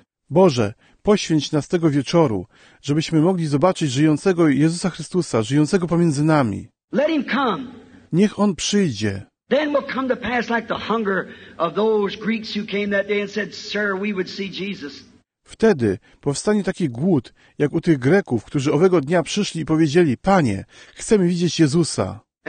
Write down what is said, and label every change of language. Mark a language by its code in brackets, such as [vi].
[pl] Boże, poświęć nas tego wieczoru, żebyśmy mogli zobaczyć żyjącego Jezusa Chrystusa, żyjącego pomiędzy nami. [en] Let him come. [pl] Niech On przyjdzie. [en] Then will come to pass like the hunger of those Greeks who came that day and said, Sir, we would see Jesus. [pl] Wtedy powstanie taki głód, jak u tych Greków, którzy owego dnia przyszli i powiedzieli, Panie, chcemy widzieć Jezusa.